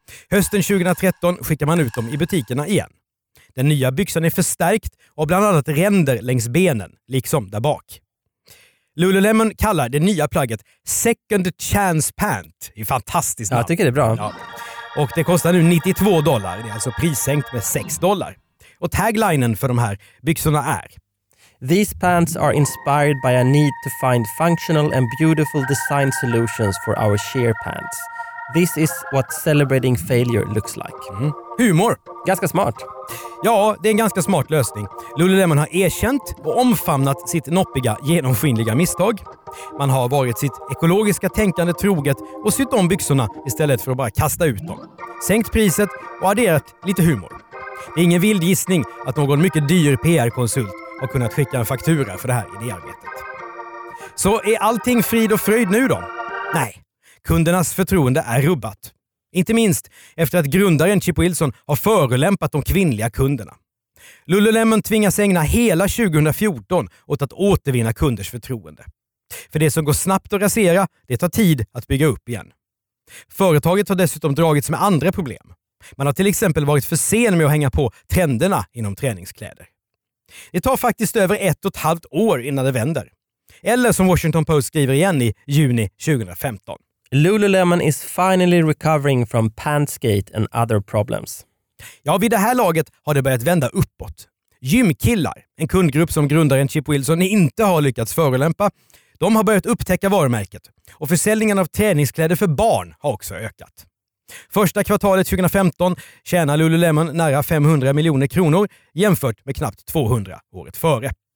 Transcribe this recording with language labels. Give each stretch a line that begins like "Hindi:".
Swedish: Hösten 2013 skickar man ut dem i butikerna igen. Den nya byxan är förstärkt och bland annat ränder längs benen, liksom där bak. Lululemon kallar det nya plagget Second Chance Pant. Det är fantastiskt namn. Jag tycker det är bra. Ja. Och det kostar nu $92. Det är alltså prissänkt med $6. Och taglinen för de här byxorna är:
English: These pants are inspired by a need to find functional and beautiful design solutions for our sheer pants. This is what celebrating failure looks like.
Swedish: Mm. Humor. Ganska smart. Ja, det är en ganska smart lösning. Lululemon har erkänt och omfamnat sitt noppiga, genomskinliga misstag. Man har varit sitt ekologiska tänkande troget och sytt om byxorna istället för att bara kasta ut dem. Sänkt priset och adderat lite humor. Det är ingen vild gissning att någon mycket dyr PR-konsult har kunnat skicka en faktura för det här idéarbetet. Så är allting frid och fröjd nu då? Nej. Kundernas förtroende är rubbat. Inte minst efter att grundaren Chip Wilson har förolämpat de kvinnliga kunderna. Lululemon tvingas ägna hela 2014 åt att återvinna kunders förtroende. För det som går snabbt att rasera, det tar tid att bygga upp igen. Företaget har dessutom dragits med andra problem. Man har till exempel varit för sen med att hänga på trenderna inom träningskläder. Det tar faktiskt över 1,5 år innan det vänder. Eller som Washington Post skriver igen i juni 2015.
English: Lululemon is finally recovering from Pantsgate and other problems.
Swedish: Ja, vid det här laget har det börjat vända uppåt. Gymkillar, en kundgrupp som grundaren Chip Wilson inte har lyckats förolämpa, de har börjat upptäcka varumärket. Och försäljningen av träningskläder för barn har också ökat. Första kvartalet 2015 tjänar Lululemon nära 500 miljoner kronor jämfört med knappt 200 året före.